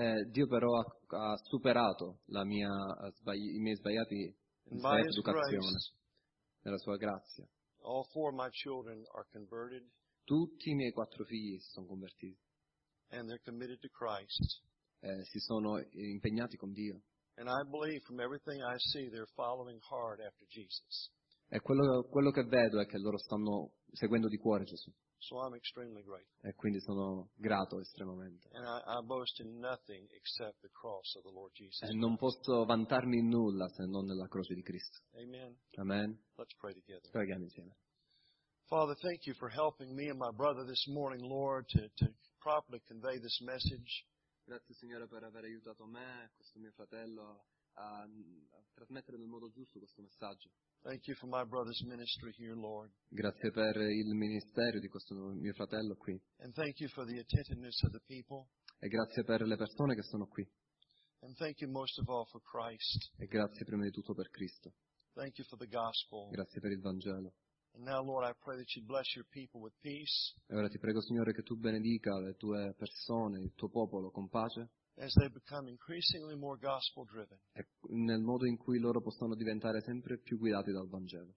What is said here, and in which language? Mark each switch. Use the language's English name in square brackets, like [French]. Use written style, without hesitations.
[Italian] Dio però ha superato i miei sbagliati educazione. Nella sua grazia. [English] All four of my children are converted. [Italian] Tutti i miei quattro figli si sono convertiti. [English] And they're committed to Christ. [Italian] Si sono impegnati con Dio. [English] And I believe from everything I see they're following hard after Jesus. [Italian] E quello che vedo è che loro stanno seguendo di cuore Gesù. [English] So I'm extremely grateful. [Italian] E quindi sono grato estremamente. [English] And I boast in nothing except the cross of the Lord Jesus. [Italian] E non posso vantarmi in nulla se non nella croce di Cristo. [English] Amen. [Italian] Amen. [English] Let's pray together. [Italian] Preghiamo insieme. [English] Father, thank you for helping me and my brother this morning, Lord, to properly convey this message. [Italian] Grazie Signore per aver aiutato me e questo mio fratello a trasmettere nel modo giusto questo messaggio. [English] Thank you for my brother's ministry here, Lord. [Italian] Grazie per il ministero di questo mio fratello qui. [English] And thank you for the attentiveness of the people. [Italian] E grazie per le persone che sono qui. [English] And thank you most of all for Christ. [Italian] E grazie prima di tutto per Cristo. [English] Thank you for the gospel. [Italian] Grazie per il Vangelo. [English] And now, Lord, I pray that you bless your people with peace. [Italian] E ora ti prego, Signore, che tu benedica le tue persone, il tuo popolo, con pace. [English] As they become increasingly more gospel-driven. [Italian] E nel modo in cui loro possono diventare sempre più guidati dal Vangelo.